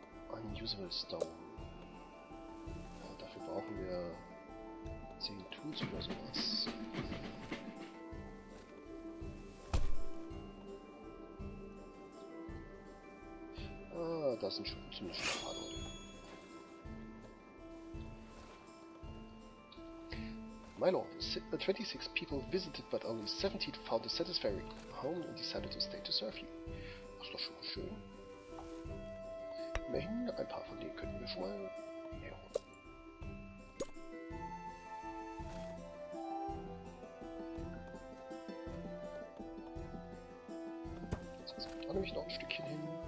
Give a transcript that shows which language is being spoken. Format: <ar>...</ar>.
<de>Unusable Stone. Ja, dafür brauchen wir 10 Tools oder sowas. Das sind schon ziemlich schade.</de> <en>My lord, 26 people visited, but only 17 found a satisfactory home and decided to stay to serve you.</en> <de>Das ist doch schon mal schön. Immerhin, ein paar von denen könnten wir schon mal näher holen. Jetzt kommt da nämlich noch ein Stückchen hin.</de>